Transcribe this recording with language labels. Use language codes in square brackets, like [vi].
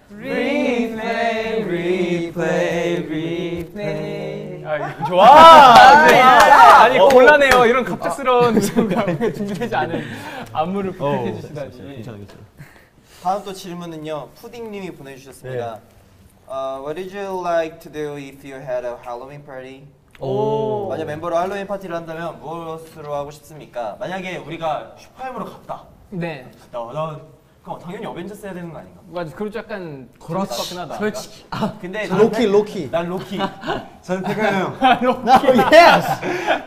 [en] replay replay replay [ko] 아, 좋아! 네. 아니, 곤란해요. 이런 갑작스러운 준비되지 않은 안무를 부탁해 주시다니. 괜찮아. 다음 또 질문은요. 푸딩님이 보내주셨습니다. 네. [en] What did you like to do if you had a Halloween party? [ko] 오. 만약 멤버로 할로윈 파티를 한다면 무엇으로 하고 싶습니까? 만약에 우리가 슈퍼엠으로 갔다. 네. 그럼 당연히 어벤져스 해야 되는 거 아닌가? 맞아, 그럼 약간 그렇지, 솔직히 아, 근데 로키, 로키 난 로키 저는 태카 형 나 로키 나 예스!